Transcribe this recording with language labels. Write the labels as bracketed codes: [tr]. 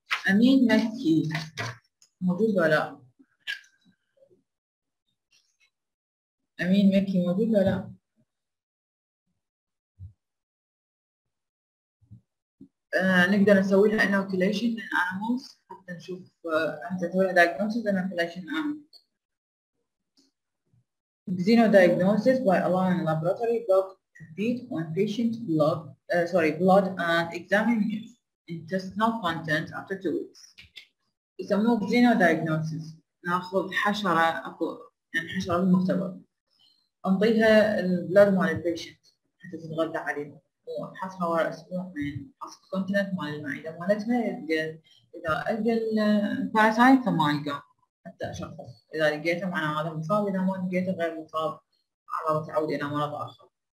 [ar] امين مكي موجود ولا لا؟ أمين مكي موجود ولا لا؟ نقدر نسوي لها [en] inoculation in animals [ar] حتى نشوف أنت تسوي لها [en] diagnosis and inoculation animals. Xenodiagnosis by allowing a laboratory dog to feed on patient blood, blood and examine its intestinal content after 2 weeks. [ar] يسموه xenodiagnosis ناخذ حشرة أكو يعني حشرة بالمختبر. أنطيها البلد مال البيشنت حتى تتغذى عليه وأفحصها ورا أسبوع من أفحص الكونتنت مال المعدة مالتها إذا ألقى الباراسايت فما ألقى حتى أشخص إذا لقيته معناه هذا مصاب إذا ما لقيته غير مصاب على تعود إلى مرض آخر.